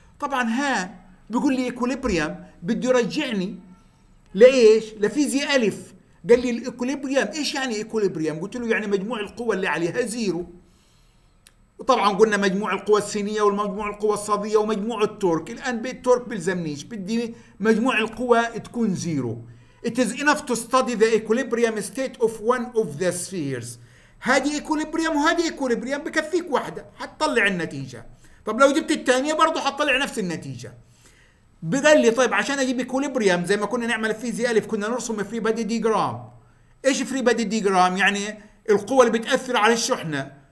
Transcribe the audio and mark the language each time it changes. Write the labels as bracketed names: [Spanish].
[Arabic] طبعا هان بيقول لي إكوليبريم، بده يرجعني لإيش؟ لفيزياء ألف. قال لي الإكوليبريم إيش يعني إكوليبريم؟ قلت له يعني مجموع القوى اللي عليها زيرو، وطبعا قلنا مجموع القوى السينية والمجموع القوى الصادية ومجموع التورك. الآن بالتورك بلزمنيش، بدي مجموع القوى تكون زيرو. [English] It is enough to study the equilibrium state of one of the spheres. [Arabic] هذه equilibrium وهذه equilibrium بكفيك واحدة حتطلع النتيجة. طب لو جبت الثانية برضو حتطلع نفس النتيجة. بقال لي طيب عشان أجيب equilibrium زي ما كنا نعمل في زي ألف كنا نرسم free body diagram. إيش free body diagram؟ يعني القوة اللي بتأثر على الشحنة.